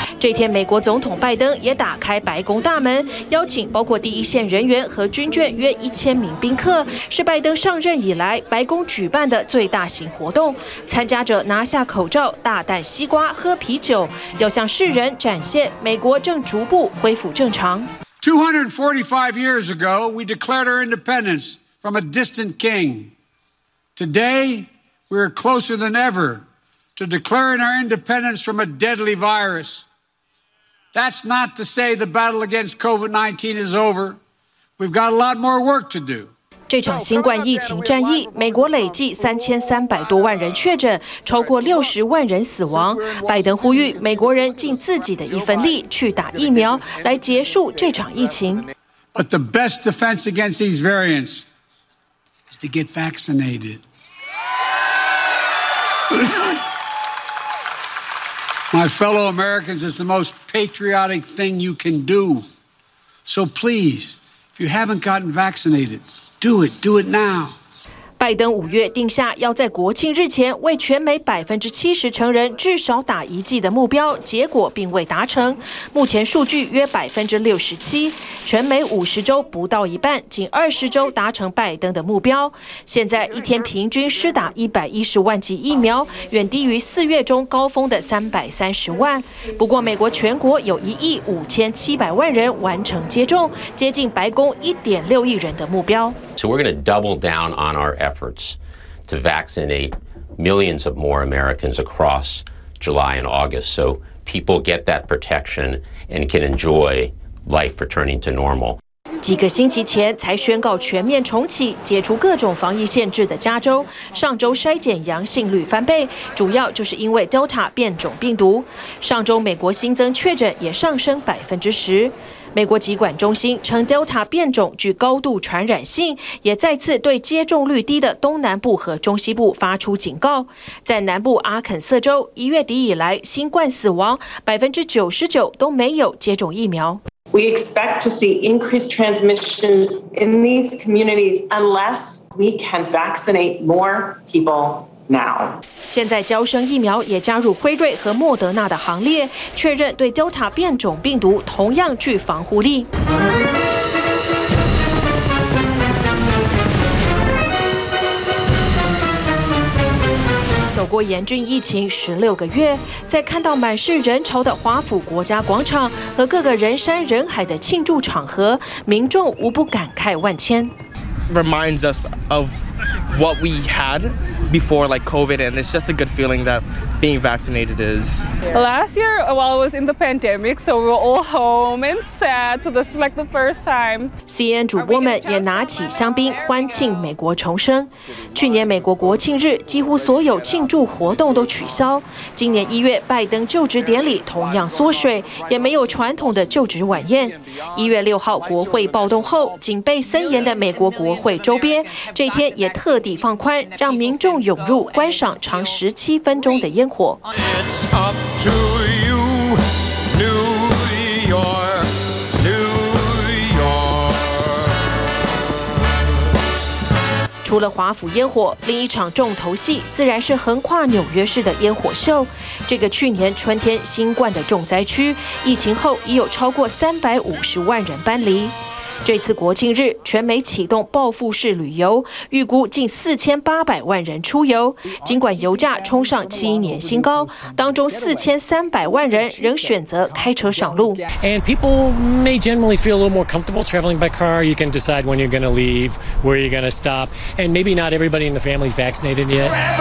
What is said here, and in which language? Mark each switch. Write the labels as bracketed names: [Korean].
[Chinese] 这天，美国总统拜登也打开白宫大门，邀请包括第一线人员和军眷约1000名宾客，是拜登上任以来白宫举办的最大型活动。参加者拿下口罩，大啖西瓜，喝啤酒，要向世人展现美国正逐步恢复正常。 [English] 245 years ago, we declared our independence from a distant king. Today, we are closer than ever to declaring our independence from a deadly virus. That's not to say the battle against COVID-19 is over. We've got a lot more work to do. [Chinese] 这场新冠疫情战役，美国累计3300多万人确诊，超过60万人死亡。拜登呼吁美国人尽自己的一份力去打疫苗，来结束这场疫情。 [English] But the best defense against these variants is to get vaccinated. My fellow Americans, it's the most patriotic thing you can do. So please, if you haven't gotten vaccinated. Do it now. [Chinese] 拜登五月定下要在国庆日前为全美70%成人至少打一剂的目标，结果并未达成。目前数据约67%，全美50周不到一半，仅20周达成拜登的目标。现在一天平均施打110万剂疫苗，远低于4月中高峰的330万。不过，美国全国有1亿5700万人完成接种，接近白宫1.6亿人的目标。 [English] So we're going to double down on our efforts to vaccinate millions of more Americans across July and August so people get that protection and can enjoy life returning to normal. [Chinese] 几个星期前才宣告全面重启、解除各种防疫限制的加州，上周筛检阳性率翻倍，主要就是因为 Delta 变种病毒。上周美国新增确诊也上升10%。美国疾管中心称 Delta 变种具高度传染性，也再次对接种率低的东南部和中西部发出警告。在南部阿肯色州，一月底以来新冠死亡99%都没有接种疫苗。 [English] We expect to see increased transmissions in these communities unless we can vaccinate more people. Now. [Chinese] 现在交生疫苗也加入辉瑞和莫德纳的行列，确认对 Delta 变种病毒同样具防护力。走过严峻疫情16个月，在看到满是人潮的华府国家广场和各个人山人海的庆祝场合，民众无不感慨万千。 [English] Reminds us of what we had before, like COVID, and it's just a good feeling that being vaccinated is. Last year, while I was in the pandemic, so we were all home and sad. So this is like the first time. [Chinese] CNN 主播们也拿起香槟欢庆美国重生。去年美国国庆日几乎所有庆祝活动都取消。今年一月拜登就职典礼同样缩水，也没有传统的就职晚宴。 1月6号国会暴动后，警备森严的美国国会周边，这天也特地放宽，让民众涌入观赏长17分钟的烟火。除了华府烟火，另一场重头戏自然是横跨纽约市的烟火秀。这个去年春天新冠的重灾区，疫情后已有超过350万人搬离。这次国庆日，全美启动报复式旅游，预估近4800万人出游。尽管油价冲上7年新高，当中4300万人仍选择开车上路。 [English] And people may generally feel a little more comfortable traveling by car. You can decide when you're going to leave, where you're going to stop, and maybe not everybody in the family is vaccinated yet.